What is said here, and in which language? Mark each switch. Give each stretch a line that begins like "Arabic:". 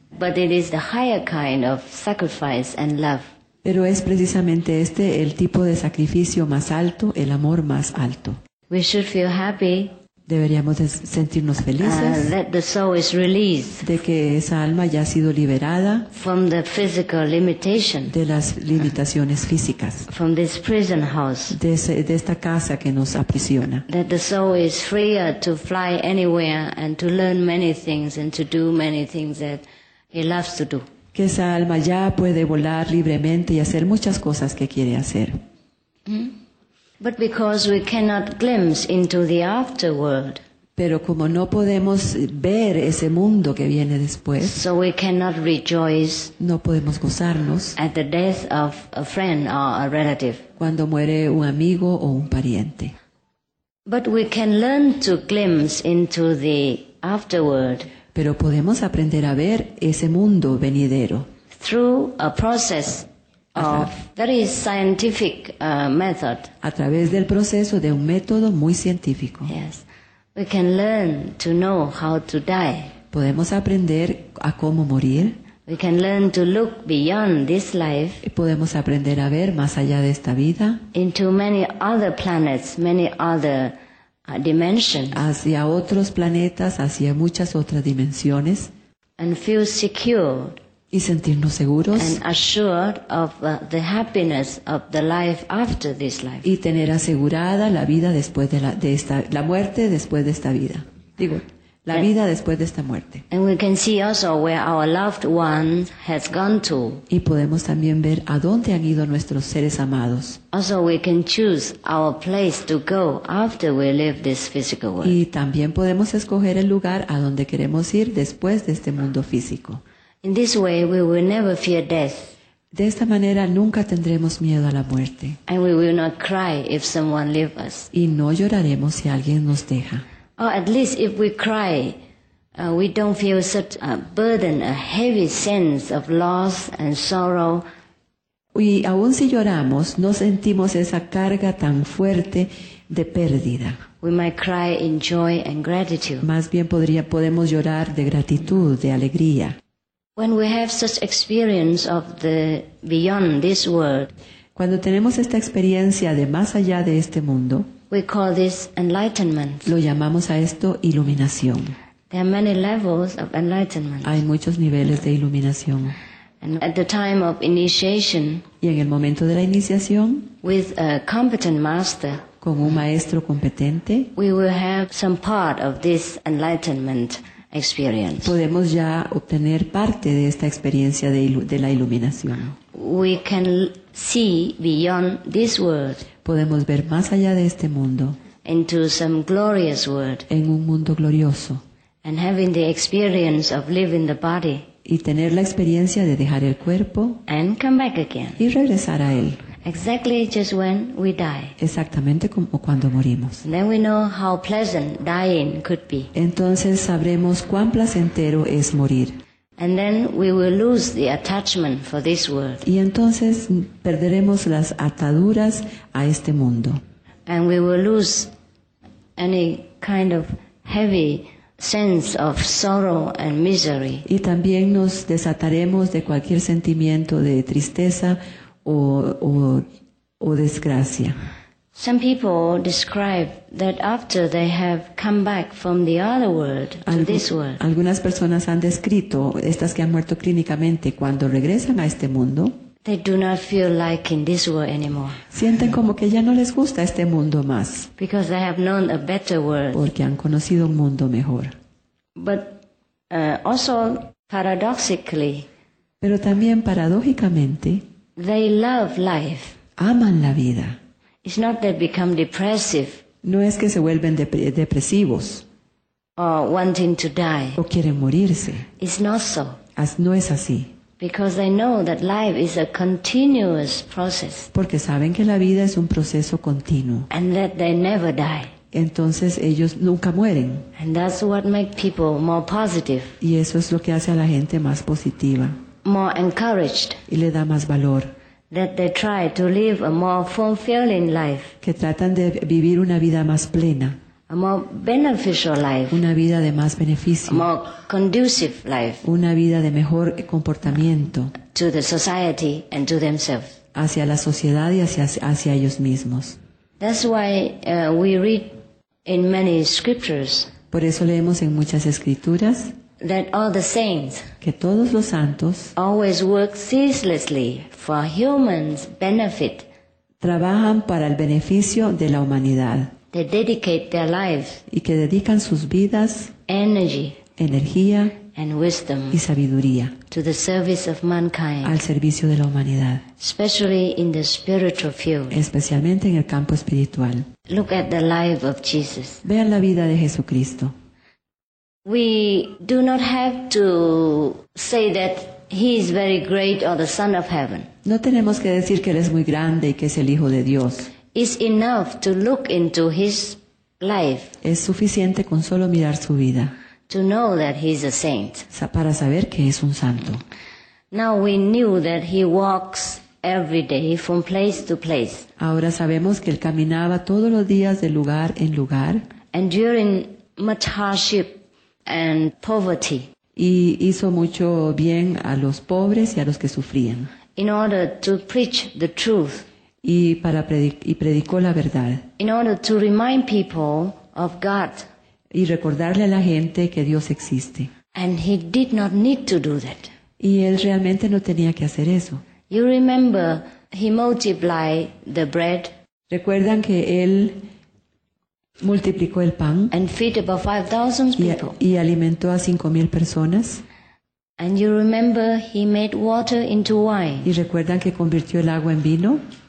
English: But it is the higher kind of sacrifice and love.
Spanish: Pero es precisamente este el tipo de sacrificio más alto, el amor más alto.
English: We should feel happy.
Spanish: Deberíamos de sentirnos felices.
English: That the soul is released.
Spanish: De que esa alma ya ha sido liberada.
English: From the physical limitation.
Spanish: De las limitaciones físicas.
English: From this prison house.
Spanish: De esta casa que nos aprisiona.
English: That the soul is free to fly anywhere and to learn many things and to do many things that he loves to do.
Spanish: Que esa alma ya puede volar libremente y hacer muchas cosas que quiere hacer.
English: But because we cannot glimpse into the afterworld.
Spanish: Pero como no podemos ver ese mundo que viene después.
English: So we cannot rejoice.
Spanish: No podemos gozarnos.
English: At the death of a friend or a relative.
Spanish: Cuando muere un amigo o un pariente.
English: But we can learn to glimpse into the afterworld.
Spanish: Pero podemos aprender a ver ese mundo venidero.
English: Through a process of very scientific method.
Spanish: A través del proceso de un método muy científico.
English: Yes. We can learn to know how to die.
Spanish: Podemos aprender a cómo morir.
English: We can learn to look beyond this life.
Spanish: Y podemos aprender a ver más allá de esta vida.
English: Into many other planets, many other dimensions.
Spanish: Hacia otros planetas, hacia muchas otras dimensiones.
English: And feel secure.
Spanish: Y sentirnos seguros.
English: And assured of the happiness of the life after this life.
Spanish: Y tener asegurada la vida después de la muerte después de esta vida. Digo, la vida después de esta muerte.
English: And we can see also where our loved one has gone to.
Spanish: Y podemos también ver a dónde han ido nuestros seres amados.
English: Also we can choose our place to go after we leave this physical world.
Spanish: Y también podemos escoger el lugar a donde queremos ir después de este mundo físico.
English: In this way, we will never fear death.
Spanish: De esta manera nunca tendremos miedo a la muerte.
English: And we will not cry if someone leaves us.
Spanish: Y no lloraremos si alguien nos deja.
English: Or at least if we cry, we don't feel such a burden, a heavy sense of loss and sorrow.
Spanish: Y aun si lloramos, no sentimos esa carga tan fuerte de pérdida.
English: We might cry in joy and gratitude.
Spanish: Más bien podemos llorar de gratitud, de alegría.
English: When we have such experience of the beyond this world,
Spanish: cuando tenemos esta experiencia de más allá de este mundo,
English: we call this enlightenment.
Spanish: Lo llamamos a esto iluminación.
English: There are many levels of enlightenment.
Spanish: Hay muchos niveles de iluminación.
English: And at the time of initiation,
Spanish: y en el momento de la iniciación,
English: with a competent master,
Spanish: con un maestro competente,
English: we will have some part of this enlightenment. Experience.
Spanish: Podemos ya obtener parte de esta experiencia de la iluminación.
English: We can see beyond this world.
Spanish: Podemos ver más allá de este mundo.
English: Into some glorious world.
Spanish: En un mundo glorioso.
English: And having the experience of leaving the body.
Spanish: Y tener la experiencia de dejar el cuerpo.
English: And come back again.
Spanish: Y regresar a él.
English: Exactly just when we die.
Spanish: Exactamente como cuando morimos.
English: Then we know how pleasant dying could be.
Spanish: Entonces sabremos cuán placentero es morir.
English: And then we will lose the attachment for this world.
Spanish: Y entonces perderemos las ataduras a este mundo.
English: And we will lose any kind of heavy sense of sorrow and misery.
Spanish: Y también nos desataremos de cualquier sentimiento de tristeza. O desgracia.
English: Some people describe that after they have come back from the other world to this world.
Spanish: Algunas personas han descrito estas que han muerto clínicamente cuando regresan a este mundo.
English: They do not feel like in this world anymore.
Spanish: Sienten como que ya no les gusta este mundo más.
English: Because they have known a better world.
Spanish: Porque han conocido un mundo mejor.
English: But also paradoxically.
Spanish: Pero también paradójicamente.
English: They love life.
Spanish: Aman la vida.
English: It's not that they become depressive.
Spanish: No es que se vuelven depresivos.
English: Or wanting to die.
Spanish: O quieren morirse.
English: It's not so.
Spanish: No es así.
English: Because they know that life is a continuous process.
Spanish: Porque saben que la vida es un proceso continuo.
English: And that they never die.
Spanish: Entonces ellos nunca mueren.
English: And that's what makes people more positive.
Spanish: Y eso es lo que hace a la gente más positiva.
English: More encouraged.
Spanish: Y le da más valor.
English: That they try to live a more fulfilling life.
Spanish: Que tratan de vivir una vida más plena.
English: A more beneficial life.
Spanish: Una vida de más beneficio.
English: A more conducive life.
Spanish: Una vida de mejor comportamiento.
English: To the society and to themselves.
Spanish: Hacia la sociedad y hacia ellos mismos.
English: That's why we read in many scriptures.
Spanish: Por eso leemos en muchas escrituras.
English: That all the saints
Spanish: que todos los santos
English: always work ceaselessly for human's benefit.
Spanish: Trabajan para el beneficio de la humanidad.
English: They dedicate their lives
Spanish: y que dedican sus vidas
English: energy,
Spanish: energía
English: and wisdom
Spanish: y sabiduría
English: to the service of mankind,
Spanish: al servicio de la humanidad,
English: especially in the spiritual field.
Spanish: Especialmente en el campo espiritual.
English: Look at the life of Jesus.
Spanish: Vean la vida de Jesucristo.
English: We do not have to say that he is very great or the Son of Heaven.
Spanish: No tenemos que decir que él es muy grande y que es el Hijo de Dios.
English: It's enough to look into his life.
Spanish: Es suficiente con solo mirar su vida.
English: To know that he is a saint.
Spanish: Para saber que es un santo.
English: Now we knew that he walks every day from place to place.
Spanish: Ahora sabemos que él caminaba todos los días de lugar en lugar.
English: And during much hardship. And poverty.
Spanish: Y hizo mucho bien a los pobres y a los que sufrían.
English: In order to preach the truth.
Spanish: Y predicó la verdad.
English: In order to remind people of God.
Spanish: Y recordarle a la gente que Dios existe.
English: And he did not need to do that.
Spanish: Y él realmente no tenía que hacer eso.
English: You remember he multiplied the bread.
Spanish: Recuerdan que él multiplicó el pan
English: and feed about 5,000 people.
Spanish: Y alimentó a 5,000 personas.
English: And you remember he made water into wine.
Spanish: ¿Y recuerdan que convirtió el agua en vino?